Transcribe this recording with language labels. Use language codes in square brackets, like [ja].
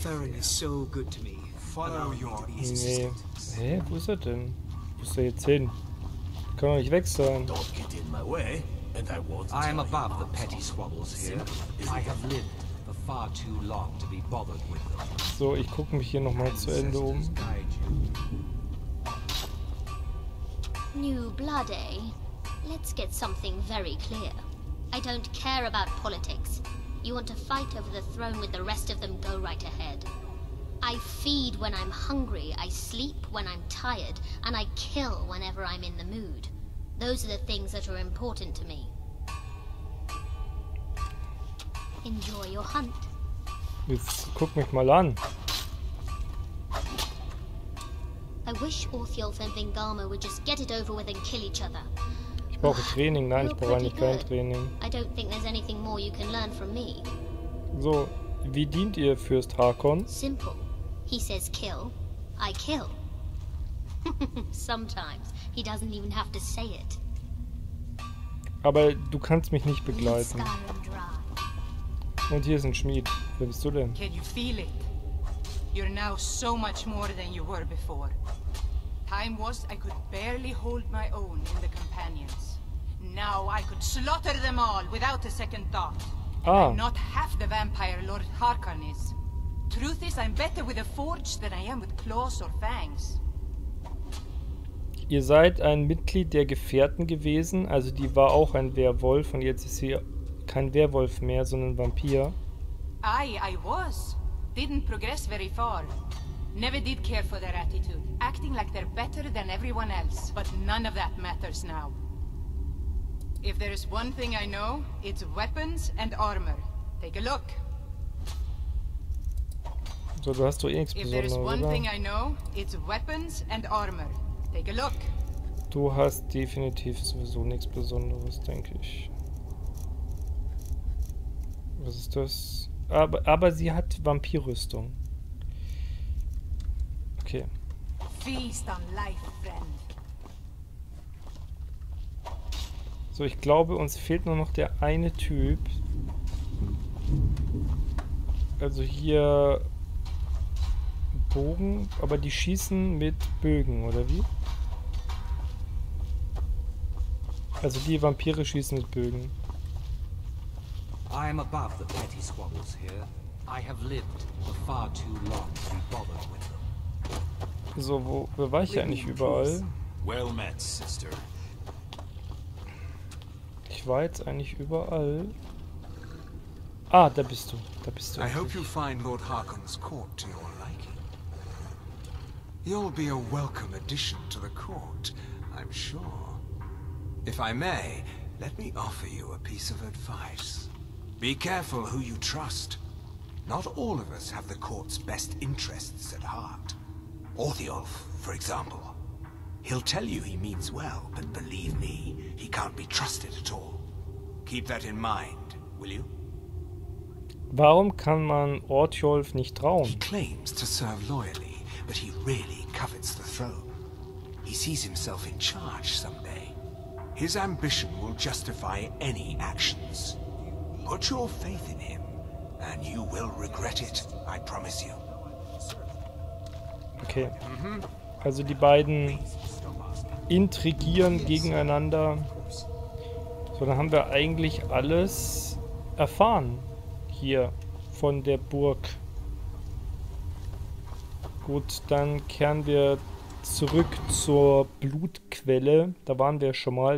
[en] Theron is so good to me. Follow your instincts. [de] Hä, wo ist er denn? Wo ist er jetzt hin? Kann man nicht weg sein. [en] Don't get in my way, and I won't. I am above the petty squabbles here. I have lived for far too long to be bothered with them. [de] So, ich gucke mich hier nochmal zu Ende um. [en] New blood, eh? Let's get something very clear. I don't care about politics. You want to fight over the throne with the rest of them, go right ahead. I feed when I'm hungry, I sleep when I'm tired, and I kill whenever I'm in the mood. Those are the things that are important to me. Enjoy your hunt. [de] Jetzt guck mich mal an. [en] I wish Orthiolf and Vingalmo would just get it over with and kill each other. [de] Ich brauche Training, nein, ich brauche eigentlich kein Training. [en] I don't think there's anything more you can learn from me. [de] So, wie dient ihr Fürst Harkon? [en] Simple. He says kill, I kill. Sometimes he doesn't even have to say it. [de] Aber du kannst mich nicht begleiten. Und hier ist ein Schmied. Wer bist du denn? [en] Can you feel it? You're now so much more than you were before. Time was I could barely hold my own in the companions. Now I could slaughter them all without a second thought. Ah. I'm not half the vampire Lord Harkon is. Truth is, I'm better with a forge than I am with claws or fangs. [de] Ihr seid ein Mitglied der Gefährten gewesen, also die war auch ein Werwolf und jetzt ist sie kein Werwolf mehr, sondern Vampir. [en] I was. Didn't progress very far. Never did care for their attitude. Acting like they're better than everyone else, but none of that matters now. If there is one thing I know, it's weapons and armor. Take a look. [de] So, du hast doch eh nichts Besonderes, oder? [en] If there is one thing I know, it's weapons and armor. Take a look. [de] Du hast definitiv sowieso nichts Besonderes, denke ich. Was ist das? Aber sie hat Vampirrüstung. Okay. [en] Feast on life, friend. [de] So, ich glaube, uns fehlt nur noch der eine Typ. Also hier... Bogen, aber die schießen mit Bögen, oder wie? Also die Vampire schießen mit Bögen. [en] I am above the petty squabbles here. I have lived for far too long to be bothered with them. [de] So, wo war ich eigentlich überall? [en] Well met, sister. [de] Ich war jetzt eigentlich überall. Ah, da bist du. Da bist du. [en] I hope you find Lord Harkon's court to your liking. You'll be a welcome addition to the court, I'm sure. If I may, let me offer you a piece of advice. Be careful who you trust. Not all of us have the court's best interests at heart. Orthiolf, for example. He'll tell you he means well, but believe me, he can't be trusted at all. Keep that in mind, will you? [de] Warum kann man Ortjolf nicht trauen? [en] He claims to serve loyally, but he really covets the throne. He sees himself in charge someday. His ambition will justify any actions. Put your faith in him, and you will regret it, I promise you. [de] Okay. Also die beiden intrigieren gegeneinander. So, dann haben wir eigentlich alles erfahren hier von der Burg. Gut, dann kehren wir zurück zur Blutquelle. Da waren wir schon mal.